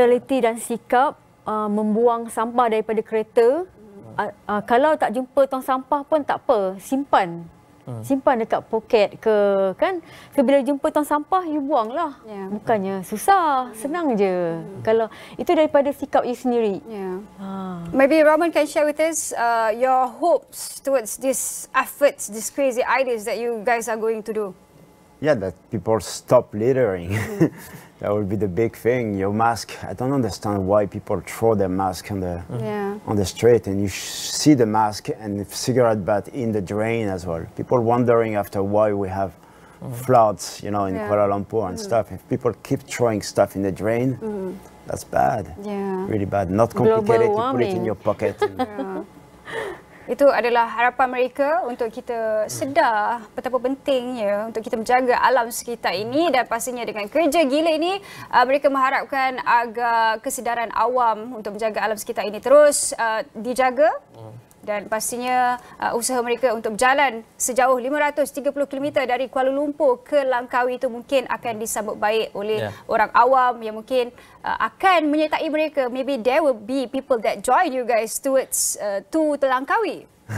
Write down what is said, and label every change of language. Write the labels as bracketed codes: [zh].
[ms] Mentaliti dan sikap membuang sampah daripada kereta. Kalau tak jumpa tong sampah pun tak apa, simpan. Simpan dekat poket ke kan. So, bila jumpa tong sampah, you buanglah. Yeah. Bukannya susah, senang je. Kalau itu daripada sikap you sendiri. [en] Yeah. Maybe Roman can share with us your hopes towards this efforts, this crazy ideas that you guys are going to do. Yeah, that people stop littering. That would be the big thing. Your mask, I don't understand why people throw their mask on the on the street, and you see the mask and the cigarette butt in the drain as well. People wondering after why we have floods, you know, in Kuala Lumpur and stuff. If people keep throwing stuff in the drain, that's bad. Yeah. Really bad. Not complicated, you put it in your pocket. [ms] Itu adalah harapan mereka untuk kita sedar betapa pentingnya untuk kita menjaga alam sekitar ini, dan pastinya dengan kerja gila ini mereka mengharapkan agar kesedaran awam untuk menjaga alam sekitar ini terus dijaga, dan pastinya usaha mereka untuk berjalan sejauh 530 km dari Kuala Lumpur ke Langkawi itu mungkin akan disambut baik oleh orang awam yang mungkin akan menyertai mereka. [en] Maybe there will be people that join you guys towards to Langkawi.